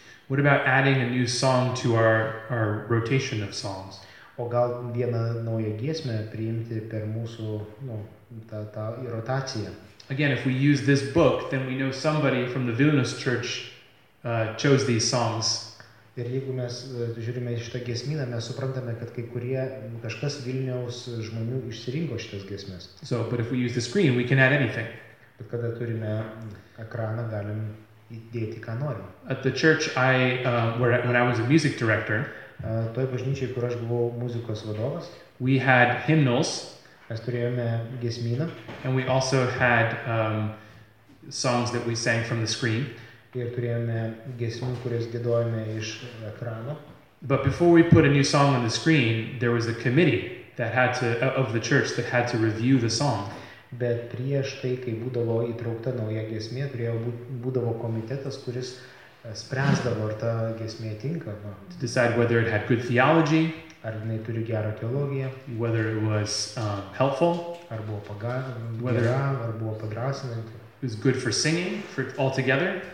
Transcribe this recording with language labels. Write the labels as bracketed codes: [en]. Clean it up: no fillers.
[en] What about adding a new song to our rotation of songs? [lt] O gal vieną naują giesmę priimti per mūsų, nu, tą rotaciją? [en] Again, if we use this book, then we know somebody from the Vilnius church chose these songs. [lt] Ir jeigu mes žiūrime šitą giesmyną, mes suprantame, kad kai kurie kažkas Vilniaus žmonių išsirinko šitas giesmes. [en] So, but if we use the screen, we can add anything. [lt] Bet kada turime ekraną, galim įdėti ką norim. [en] At the church when I was a music director, [lt] toj bažnyčiai, kur aš buvau muzikos vadovas, [en] we had hymnals. [lt] Mes turėjome giesmyną. [en] And we also had songs that we sang from the screen. [lt] Ir turėjome giesmių, kurias giedojome iš ekrano. [en] But before we put a new song on the screen, there was a committee that had to of the church that had to review the song. [lt] Bet prieš tai, kai būdavo įtraukta nauja giesmė, būdavo komitetas, kuris spręsdavo, ar ta giesmė tinka. [en] To decide whether it had good theology, [lt] ar jinai turi gerą teologiją, [en] whether it was helpful, [lt] ar buvo gera, ar buvo padrasinanti. [en] It was good for singing, for all together.